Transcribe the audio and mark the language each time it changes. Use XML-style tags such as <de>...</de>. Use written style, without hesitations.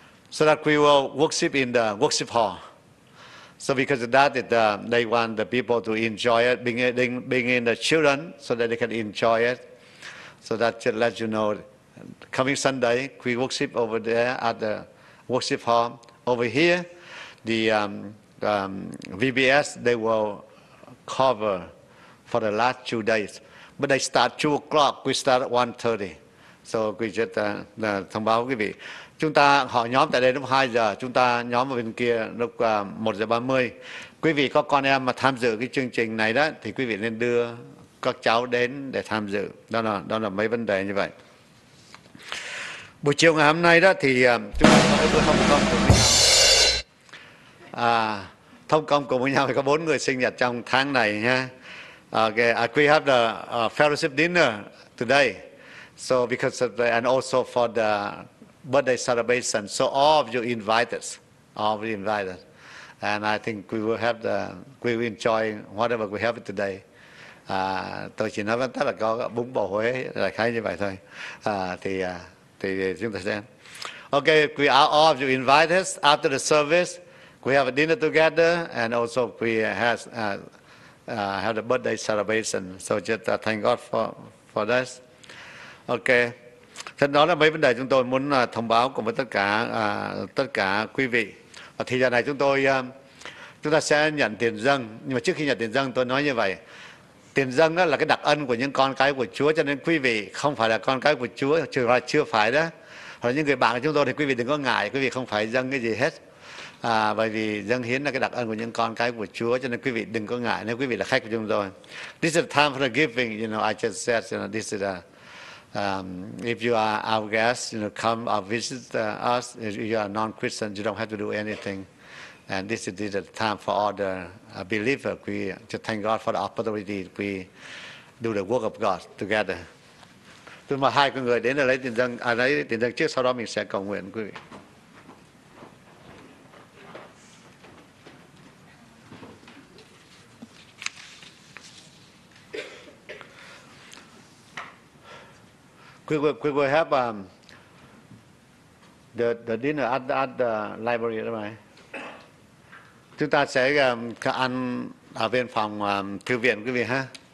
<en>So that we will worship in the worship hall. So because of that, they want the people to enjoy it, bringing the children so that they can enjoy it. So that just lets you know, coming Sunday, we worship over there at the worship hall. Over here, the VBS, they will cover for the last 2 days. But they start 2 o'clock, we start at 1:30. So we just</en> <vi>thông báo quý vị. Chúng ta họ nhóm tại đây lúc 2 giờ, chúng ta nhóm ở bên kia lúc 1 giờ 30. Quý vị có con em mà tham dự cái chương trình này đó, thì quý vị nên đưa các cháu đến để tham dự. Đó là mấy vấn đề như vậy. Buổi chiều ngày hôm nay đó thì chúng ta có bữa thông công cùng với nhau. Thông công cùng với nhau thì có 4 người sinh nhật trong tháng này nha.</vi> <en>We have the fellowship dinner today. So because of the, and also for the birthday celebration. So all of you invited, all of you invited. And I think we will enjoy whatever we have today.</en> <vi>Tôi chỉ nói với tất là có bún bò Huế, đại khái như vậy thôi. Thì chúng ta xem.</vi> <en>Okay, we are all of you invited after the service. We have a dinner together and also we has have the birthday celebration. So just thank God for this. Okay.</en> <vi>Thế đó là mấy vấn đề chúng tôi muốn thông báo cùng với tất cả quý vị. Và thì giờ này chúng ta sẽ nhận tiền dâng, nhưng mà trước khi nhận tiền dâng tôi nói như vậy. Tiền dâng đó là cái đặc ân của những con cái của Chúa, cho nên quý vị không phải là con cái của Chúa, trừ là chưa phải đó. Hoặc những người bạn của chúng tôi thì quý vị đừng có ngại, quý vị không phải dâng cái gì hết. Bởi vì dâng hiến là cái đặc ân của những con cái của Chúa, cho nên quý vị đừng có ngại nếu quý vị là khách của chúng tôi.</vi> <en>This is the time for the giving, you know, I just said, you know, this is a, if you are our guest, you know, come or visit us, if you are non-Christian, you don't have to do anything. And this is the time for all the believers. We just thank God for the opportunity we do the work of God together.</en> <vi>Tôi mời 2 người đến để lấy tiền dâng, lấy tiền dâng trước, sau đó mình sẽ cầu nguyện quý vị.</vi> <en>We have the dinner at the library, right?</en> <vi>Chúng ta sẽ ăn ở bên phòng thư viện quý vị ha.</vi>